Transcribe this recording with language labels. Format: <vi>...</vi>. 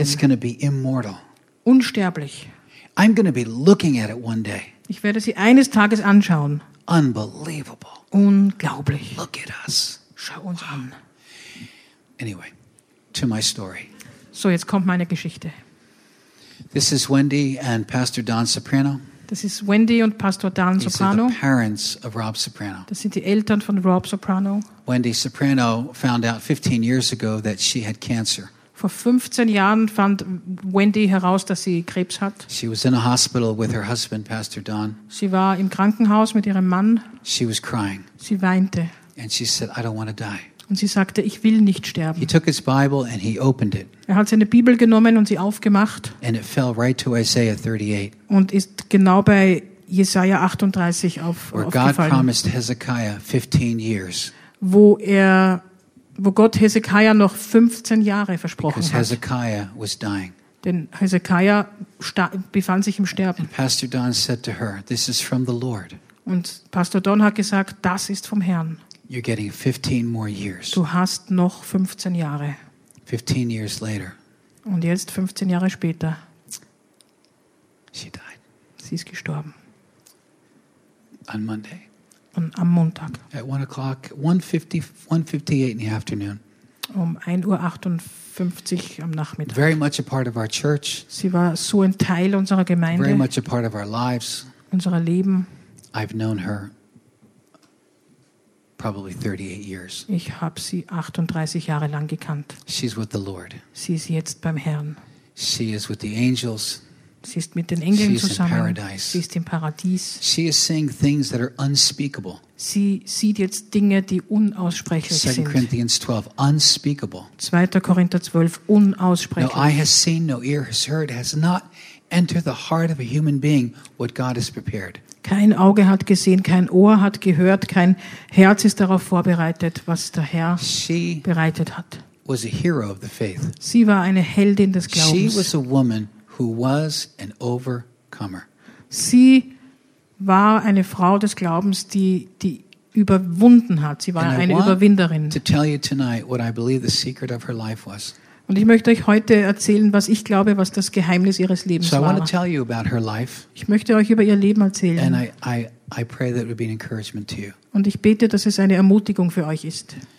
<en>It's going to be immortal.</en> <de>Unsterblich.</de> <en>I'm going to be looking at it one day.</en> <de>Ich werde sie eines Tages anschauen.</de> <en>Unbelievable.</en> <de>Unglaublich.</de> <en>Look at us.</en> <de>Schau uns an.</de> <en>Anyway, to my story.</en> <de>So, jetzt kommt meine Geschichte.</de> <en>This is Wendy and Pastor Don Soprano.</en> <de>Das ist Wendy und Pastor Dan Soprano.</de> <en>These are the parents of Rob Soprano.</en> <de>Das sind die Eltern von Rob Soprano.</de> <en>Wendy Soprano found out 15 years ago that she had cancer.</en> <de>Vor 15 Jahren fand Wendy heraus, dass sie Krebs hat.</de> <en>She was in a hospital with her husband, Pastor Don.</en> <de>Sie war im Krankenhaus mit ihrem Mann.</de> <en>She was crying.</en> <de>Sie weinte.</de> <en>And she said, "I don't want to die."</en> <de>Und sie sagte, ich will nicht sterben.</de> <en>He took his Bible and he opened it.</en> <de>Er hat seine Bibel genommen und sie aufgemacht.</de> <en>And it fell right to Isaiah 38.</en> <de>Und ist genau bei Jesaja 38 aufgefallen.</de> <en>Where God promised Hezekiah 15 years.</en> <de>Wo Gott Hezekiah noch 15 Jahre versprochen hat.</de> <en>Because Hezekiah was dying.</en> <de>Denn Hezekiah befand sich im Sterben.</de> <en>And Pastor Don said to her, "This is from the Lord."</en> <de>Und Pastor Don hat gesagt, das ist vom Herrn.</de> <en>You're getting 15 more years.</en> <de>Du hast noch 15 Jahre.</de> <en>15 years later.</en> <de>Und jetzt 15 Jahre später.</de> <en>She died.</en> <de>Sie ist gestorben.</de> <en>On Monday.</en> <de>Und am Montag.</de> <en>At 1 o'clock, 1:58 in the afternoon.</en> <de>Um 1:58 am Nachmittag.</de> <en>Very much a part of our church.</en> <de>Sie war so ein Teil unserer Gemeinde.</de> <en>Very much a part of our lives.</en> <de>Unserer Leben.</de> <en>I've known her. probably 38 years.</en> <de>Ich habe sie 38 Jahre lang gekannt.</de> <en>She's with the Lord.</en> <de>Sie ist jetzt beim Herrn.</de> <en>She is with the angels.</en> <de>Sie ist mit den Engeln</de> <en>She's</en> <de>zusammen.</de> <en>In paradise.</en> <de>Sie ist im Paradies.</de> <en>She is seeing things that are unspeakable.</en> <de>Sie sieht jetzt Dinge, die unaussprechlich sind.</de> <en>2 Corinthians 12, unspeakable.</en> <de>2. Korinther 12, unaussprechlich.</de> <en>No eye has seen, no ear has heard, has not entered the heart of a human being what God has prepared.</en> <de>Kein Auge hat gesehen, kein Ohr hat gehört, kein Herz ist darauf vorbereitet, was der Herr bereitet hat.</de> <en>Was a hero of the faith.</en> <de>Sie war eine Heldin des Glaubens.</de> <en>She was a woman who was an overcomer.</en> <de>Sie war eine Frau des Glaubens, die überwunden hat. Sie war</de> <en>And</en> <de>eine</de> <en>I want</en> <de>Überwinderin.</de> <en>To tell you tonight what I believe the secret of her life was.</en> <de>Und ich möchte euch heute erzählen, was ich glaube, was das Geheimnis ihres Lebens war.</de> <en>So I want to tell you about her life.</en> <de>Ich möchte euch über ihr Leben erzählen.</de> <en>And I pray that it would be an encouragement to you.</en> <de>Und ich bete, dass es eine Ermutigung für euch ist.</de>